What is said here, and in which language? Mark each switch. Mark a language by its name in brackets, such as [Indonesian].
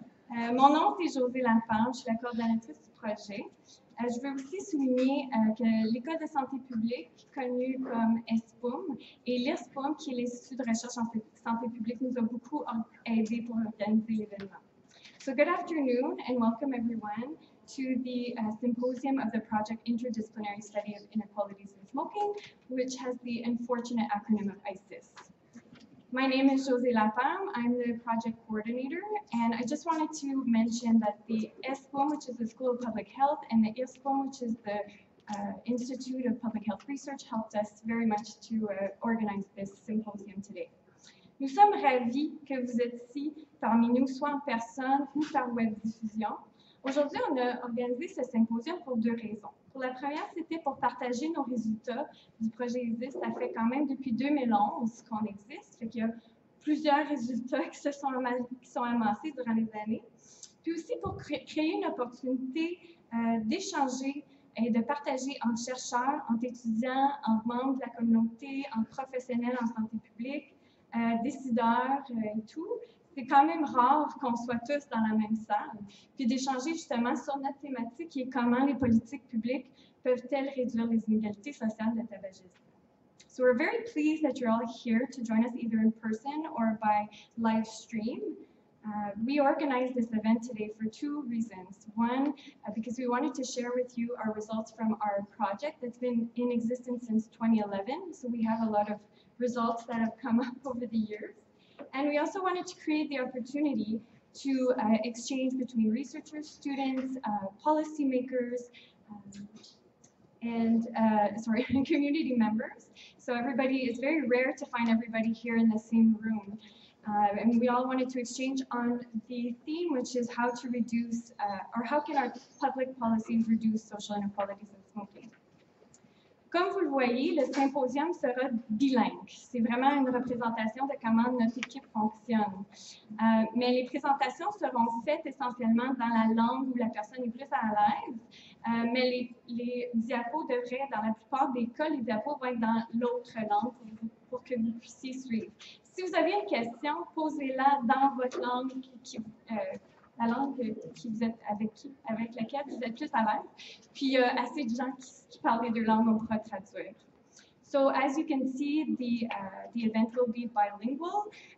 [French] Mon nom, c'est Josée Lafemme, je suis la coordonnatrice du projet. Je veux aussi souligner que l'École de santé publique, connue comme ESPUM, et l'IRSPUM, qui est l'Institut de recherche en santé publique, nous a beaucoup aidé pour organiser l'événement. [English] So good afternoon and welcome everyone to the symposium of the project Interdisciplinary Study of Inequalities in Smoking, which has the unfortunate acronym of ISIS. My name is Josée Lafemme. I'm the project coordinator, and I just wanted to mention that the ESPUM, which is the School of Public Health, and the IRSPUM, which is the Institute of Public Health Research, helped us very much to organize this symposium today. [French] Nous sommes ravis que vous êtes ici parmi nous, soit en personne ou par web diffusion. Aujourd'hui, on a organisé ce symposium pour deux raisons. Pour la première, c'était pour partager nos résultats du projet ISIS. Ça fait quand même depuis 2011 qu'on existe, fait qu'il y a plusieurs résultats qui se sont, amassés durant les années. Puis aussi pour créer une opportunité d'échanger et de partager entre chercheurs, entre étudiants, entre membres de la communauté, entre professionnels en santé publique, décideurs et tout. C'est quand même rare qu'on soit tous dans la même salle, puis d'échanger justement sur notre thématique et comment les politiques publiques peuvent-elles réduire les inégalités sociales de tabagisme. [English] So we're very pleased that you're all here to join us either in person or by live stream. We organized this event today for two reasons. One, because we wanted to share with you our results from our project that's been in existence since 2011. So we have a lot of results that have come up over the years. And we also wanted to create the opportunity to exchange between researchers, students, policymakers, and community members. So everybody, it's very rare to find everybody here in the same room. And we all wanted to exchange on the theme, which is how to reduce, or how can our public policies reduce social inequalities in smoking. [French] Comme vous le voyez, le symposium sera bilingue. C'est vraiment une représentation de comment notre équipe fonctionne. Mais les présentations seront faites essentiellement dans la langue où la personne est plus à l'aise. Mais les diapos devraient, dans la plupart des cas, les diapos vont être dans l'autre langue pour que vous puissiez suivre. Si vous avez une question, posez-la dans votre langue la langue qui vous êtes avec laquelle vous êtes plus à l'aise. Puis il y a assez de gens qui parlent les deux langues, on pourra traduire. [English] So as you can see, the event will be bilingual.